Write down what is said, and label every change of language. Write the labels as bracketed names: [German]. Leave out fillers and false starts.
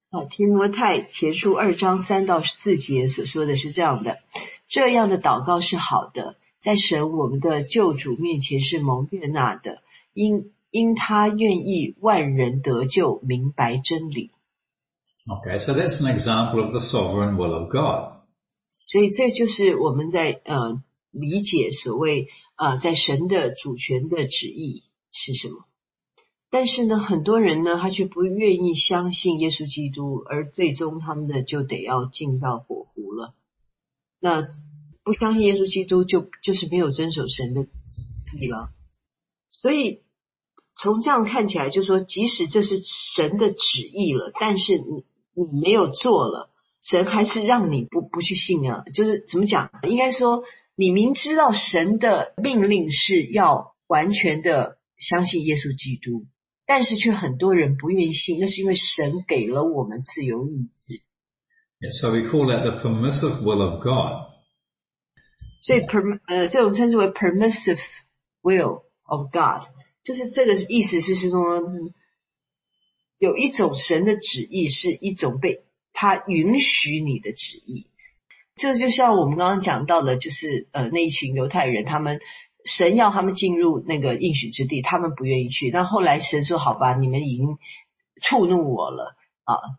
[Chinese] 提摩太前书二章三到四节所说的是这样的，这样的祷告是好的，在神我们的救主面前是蒙悦纳的，因他愿意万人得救，明白真理。 [English] Okay, so that's an example of the sovereign will of God. [Chinese] 所以这就是我们在理解所谓在神的主权的旨意是什么。但是呢，很多人呢，他却不愿意相信耶稣基督，而最终他们呢，就得要进到火湖了。那不相信耶稣基督就是没有遵守神的旨意了。所以从这样看起来，就是说即使这是神的旨意了，但是 你没有做了，神还是让你不去信啊。就是怎么讲，应该说你明知道神的命令是要完全的相信耶稣基督，但是却很多人不愿意信，那是因为神给了我们自由意志。 [English] Yeah, so we call that the permissive will of God. [Chinese] 所以这种称之为 [English] permissive will of God, [Chinese] 就是这个意思是说，有一种神的旨意是一种被他允许你的旨意。这就像我们刚刚讲到的，就是那一群犹太人，他们神要他们进入那个应许之地，他们不愿意去。那后来神说，好吧，你们已经触怒我了啊。